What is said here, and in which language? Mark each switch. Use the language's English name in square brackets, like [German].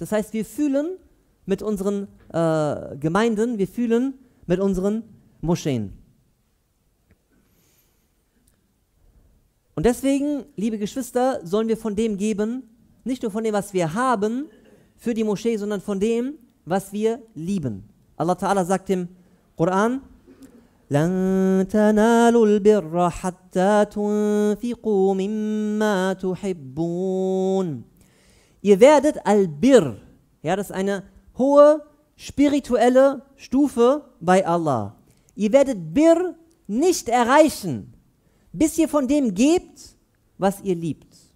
[German] Das heißt, wir fühlen mit unseren Gemeinden, wir fühlen mit unseren Moscheen. Und deswegen, liebe Geschwister, sollen wir von dem geben, nicht nur von dem, was wir haben für die Moschee, sondern von dem, was wir lieben. Allah Ta'ala sagt im Koran, [Arabic] لَن تَنَالُوا الْبِرَّ حَتَّى تُنْفِقُوا مِمَّا تُحِبُّونَ. [German] Ihr werdet al-Birr, ja, das ist eine hohe spirituelle Stufe bei Allah. Ihr werdet Birr nicht erreichen, bis ihr von dem gebt, was ihr liebt.